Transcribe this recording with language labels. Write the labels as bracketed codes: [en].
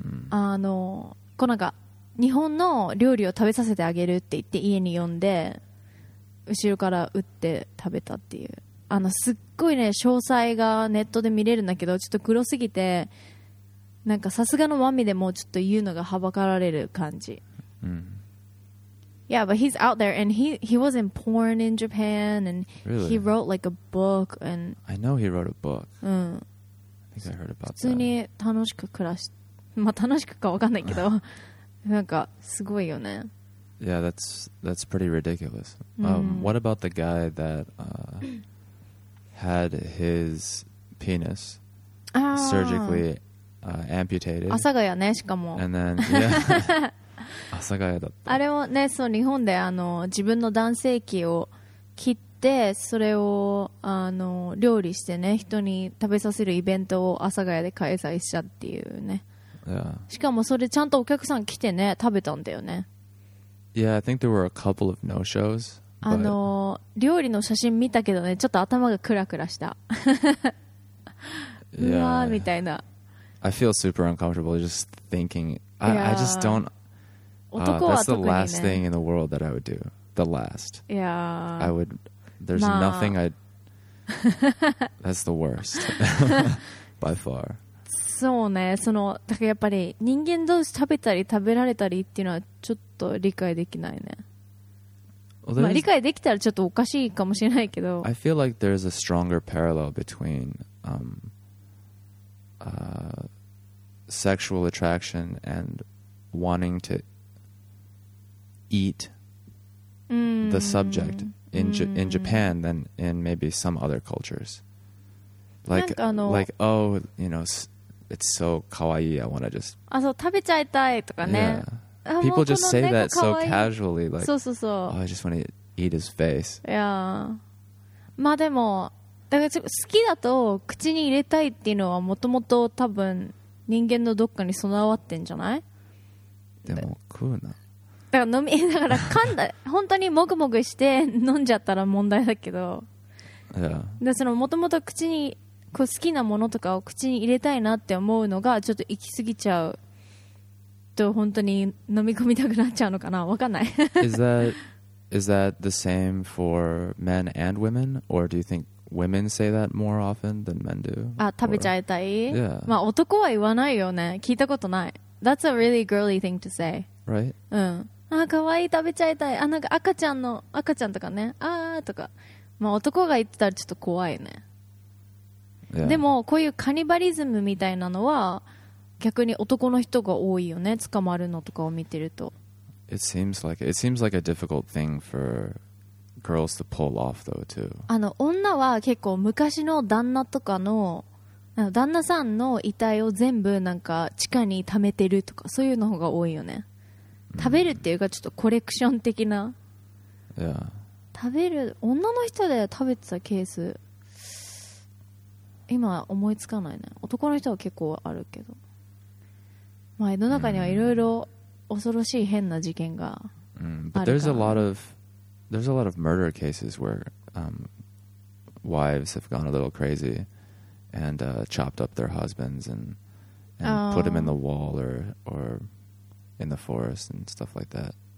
[ja] あのこうなんか日本の料理を食べさせてあげるって言って家に呼んで後ろから打って食べたっていう、あのすっごいね詳細がネットで見れるんだけどちょっと黒すぎてなんかさすがのマミでもちょっと言うのがはばかられる感じ、うん、 [en] Yeah, but he's out there and he was in porn in Japan and really? He wrote like a book and I know he wrote a book、 [ja] うん、 [en] I think I heard about that [ja] 普通に楽しく暮らし、まあ楽しくかわかんないけどなんかすごいよね。 [en] Yeah, that's pretty ridiculous.、What about the guy that、had his penis surgically、amputated? [ja] 阿佐ヶ谷ね、しかも。 [en] And then, yeah. [ja] 阿佐ヶ谷だった。あれもね、そう、日本であの自分の男性器を切って、それをあの料理してね、人に食べさせるイベントを阿佐ヶ谷で開催したっていうね。 [en] Yeah. [ja] しかもそれちゃんとお客さん来てね、食べたんだよね。 [en] Yeah, I think there were a couple of no-shows. [ja] あの、料理の写真見たけどね、ちょっと頭がクラクラした。うわーみたいな。 [en] I feel super uncomfortable just thinking. I just don't. [ja] 男は特にね。 [en] That's the last thing in the world that I would do. The last. Yeah. I would. There's nothing I. That's the worst. By far. [ja] そうね、そのだからやっぱり人間同士食べたり食べられたりっていうのはちょっと理解できないね。 [en] Well, [ja] まあ理解できたらちょっとおかしいかもしれないけど。 [en] I feel like there's a stronger parallel between sexual attraction and wanting to eat the subject in Japan than in maybe some other cultures. Like, [ja] なんかあの [en] like oh, you know. It's so kawaii. I want to just. [ja] あ、そう、食べちゃいたいとかね。 [en] Yeah. People just say that so casually, like, [ja] そうそうそう。 [en] Oh, I just want to eat his face. Yeah. [ja] まあでも、だから好きだと口に入れたいっていうのはもともと多分人間のどっかに備わってんじゃない？でも食うな。だから飲み、だから噛んだ、本当にもぐもぐして飲んじゃったら問題だけど。 [en] Yeah. [ja] で、そのもともと口に。こう好きなものとかを口に入れたいなって思うのがちょっと行き過ぎちゃうと本当に飲み込みたくなっちゃうのかな、わかんない。 [en] is that the same for men and women, or do you think women say that more often than men do? [ja] あ、食べちゃいたい。 [en] Yeah. [ja] まあ男は言わないよね。聞いたことない。 [en] That's a really girly thing to say. Right? [ja] うん。あ、可愛い、食べちゃいたい。あ、なんか赤ちゃんとかね。あーとか。まあ男が言ってたらちょっと怖いね。 [en] Yeah. [ja] でもこういうカニバリズムみたいなのは逆に男の人が多いよね、捕まるのとかを見てると。 [en] It seems like a difficult thing for girls to pull off though too. [ja] あの女は結構昔の旦那とかの旦那さんの遺体を全部なんか地下に溜めてるとかそういうの方が多いよね。食べるっていうかちょっとコレクション的な、 [en] yeah. [ja] 食べる女の人で食べてたケース今思いつかないね。男の人は結構あるけど、まあ世の中にはいろいろ恐ろしい変な事件があ [en] But there's a lot of murder cases where wives have gone a little crazy and chopped up their husbands and put them in the wall or in the forest and stuff like that.